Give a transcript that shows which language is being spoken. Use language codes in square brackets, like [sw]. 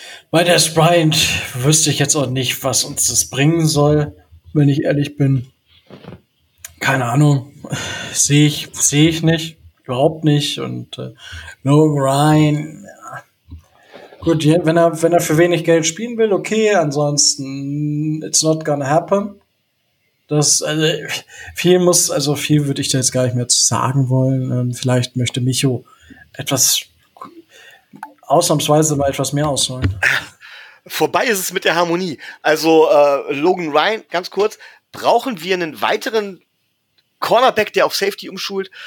[de] Bei Des Bryant wüsste ich jetzt auch nicht, was uns das bringen soll, wenn ich ehrlich bin. Keine Ahnung. Sehe ich nicht. Überhaupt nicht. Und Logan Ryan. Ja. Gut, wenn er für wenig Geld spielen will, okay. Ansonsten, [en] it's not gonna happen. [de] Viel würde ich da jetzt gar nicht mehr zu sagen wollen. Vielleicht möchte Micho etwas. Ausnahmsweise mal etwas mehr ausholen. Vorbei ist es mit der Harmonie. Also Logan Ryan, ganz kurz, brauchen wir einen weiteren Cornerback, der auf Safety umschult?